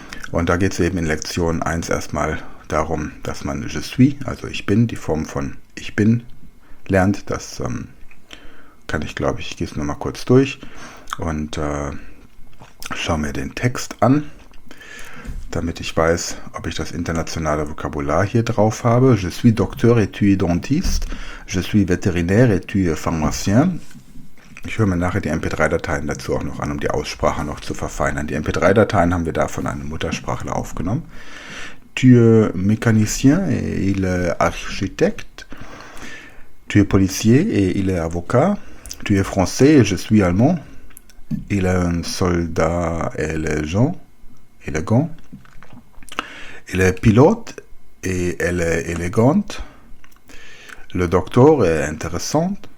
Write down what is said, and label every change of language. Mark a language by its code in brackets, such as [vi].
[de] Und da geht es eben in Lektion 1 erstmal darum, dass man [fr] Je suis, [de] also ich bin, die Form von ich bin, lernt. Das kann ich, glaube ich, gehe es nochmal kurz durch und schaue mir den Text an, damit ich weiß, ob ich das internationale Vokabular hier drauf habe. [fr] Je suis docteur et tu es dentiste. Je suis vétérinaire et tu es pharmacien. [de] Ich höre mir nachher die MP3-Dateien dazu auch noch an, um die Aussprache noch zu verfeinern. Die MP3-Dateien haben wir da von einem Muttersprachler aufgenommen. [fr] Tu es mécanicien et il est architecte. Tu es policier et il est avocat. Tu es français et je suis allemand. Il est un soldat et il est Jean. Élégant. Il est pilote et elle est élégante. Le docteur est intéressant.